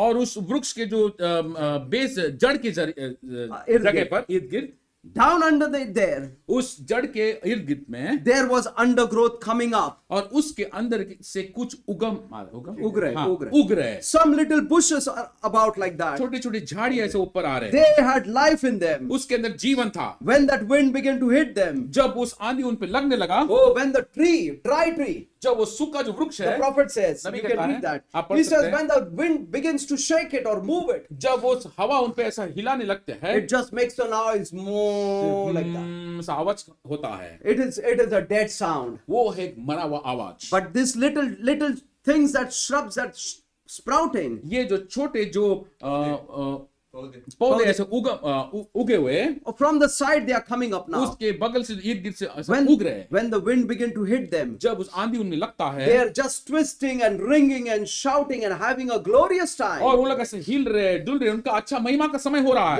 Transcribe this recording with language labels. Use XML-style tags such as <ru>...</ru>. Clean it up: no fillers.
<hi>और उस वृक्ष के जो बेस जड़ के जगह.</hi> <en>Down under there,</en> <hi>उस जड़ के इर्द-गिर्द में,</hi> <en>there was undergrowth coming up,</en> <hi>और उसके अंदर से कुछ उग रहे,</hi> <en>some little bushes are about like that,</en> <hi>छोटे-छोटे झाड़ियाँ ऐसे ऊपर आ रहे,</hi> <en>they had life in them,</en> <hi>उसके अंदर जीवन था,</hi> <en>when that wind began to hit them,</en> <hi>जब उस आंधी उन पे लगने लगा,</hi> <en>oh when the tree, dry tree.</en> <hi>जब वो सूखा जो वृक्ष है,</hi> <en>the prophet says, you can read that. He says, when the wind begins to shake it or move it,</en> <hi>जब वो हवा उन पे ऐसा हिलाने लगते हैं,</hi> <en>it just makes a noise more like that.</en> <hi>आवाज होता है.</hi> <en>It is a dead sound.</en> <hi>वो है मरा हुआ आवाज.</hi> <en>But this little things that shrubs that sprouting,</en> <hi>ये जो छोटे जो पौधे ऐसे उगे हुए</hi> <en>from the side they are coming up now</en> <hi>उसके बगल से इर्द गिर्द से उग रहे</hi> <en>when the wind begin to hit them</en> <hi>जब उस आंधी उनमें लगता है</hi> <en>they are just twisting and ringing and shouting and having a glorious time</en> <hi>और वो लोग ऐसे हिल रहे डुल रहे उनका अच्छा महिमा का समय हो रहा है</hi>